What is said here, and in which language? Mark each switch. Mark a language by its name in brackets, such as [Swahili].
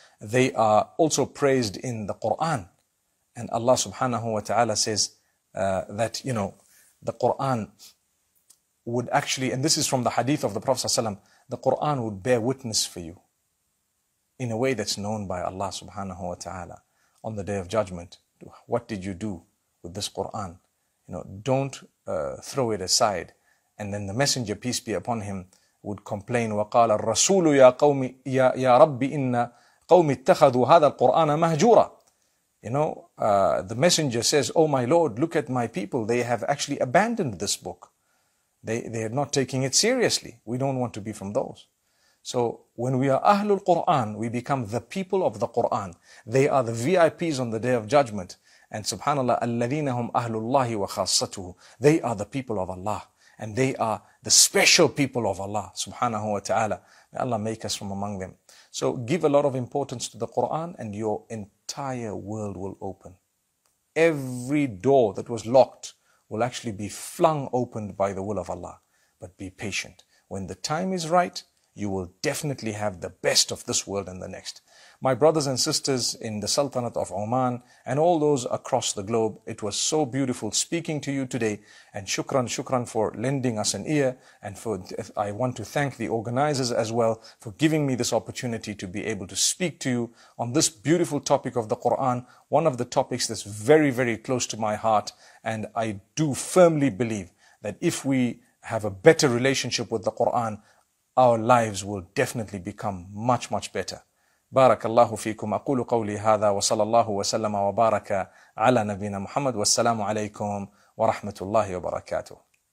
[English] They are also praised in the Qur'an. And Allah subhanahu wa ta'ala says that, you know, the Qur'an would actually, and this is from the hadith of the Prophet ﷺ, the Qur'an would bear witness for you in a way that's known by Allah subhanahu wa ta'ala on the Day of Judgment. What did you do with this Qur'an? You know, don't throw it aside. And then the messenger, peace be upon him, would complain, [Arabic] وَقَالَ الرَّسُولُ يَا قَوْمِ يَا رَبِّ إِنَّ قَوْمِ اتَّخَذُوا هَذَا الْقُرْآنَ مَهْجُورًا. [English] You know, the messenger says, oh my Lord, look at my people. They have actually abandoned this book. They are not taking it seriously. We don't want to be from those. So when we are Ahlul Qur'an, we become the people of the Qur'an. They are the VIPs on the Day of Judgment. [Arabic] And subhanAllah, الَّذِينَ هُمْ أَهْلُ اللَّهِ وَخَاصَّتُهُ. [English] They are the people of Allah. And they are the special people of Allah, subhanahu wa ta'ala. May Allah make us from among them. So give a lot of importance to the Qur'an and your entire world will open. Every door that was locked will actually be flung open by the will of Allah. But be patient. When the time is right, you will definitely have the best of this world and the next. My brothers and sisters in the Sultanate of Oman and all those across the globe, it was so beautiful speaking to you today. And shukran for lending us an ear. And for I want to thank the organizers as well for giving me this opportunity to be able to speak to you on this beautiful topic of the Quran, one of the topics that's very, very close to my heart. And I do firmly believe that if we have a better relationship with the Quran, our lives will definitely become much, much better. [Arabic] بارك الله فيكم أقول قولي هذا وصلى الله وسلم وبارك على نبينا محمد والسلام عليكم ورحمة الله وبركاته